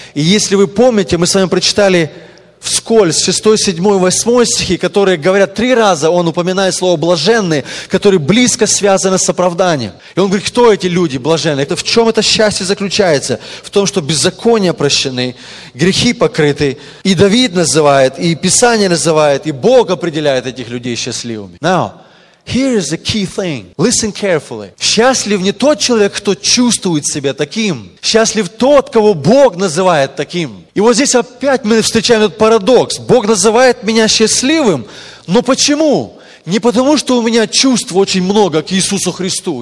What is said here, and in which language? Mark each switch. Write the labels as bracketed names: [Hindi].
[Russian] И если вы помните, мы с вами прочитали вскользь 6, 7, 8 стихи, которые говорят три раза, он упоминает слово «блаженные», которое близко связано с оправданием. И он говорит, кто эти люди блаженные? В чем это счастье заключается? В том, что беззакония прощены, грехи покрыты. И Давид называет, и Писание называет, и Бог определяет этих людей счастливыми. [English] Now, here is the key thing. Listen carefully. [Russian] Счастлив не тот человек, кто чувствует себя таким. Счастлив тот, кого Бог называет таким. И вот здесь опять мы встречаем этот парадокс. Бог называет меня счастливым, но почему? Не потому, что у меня чувств очень много к Иисусу Христу.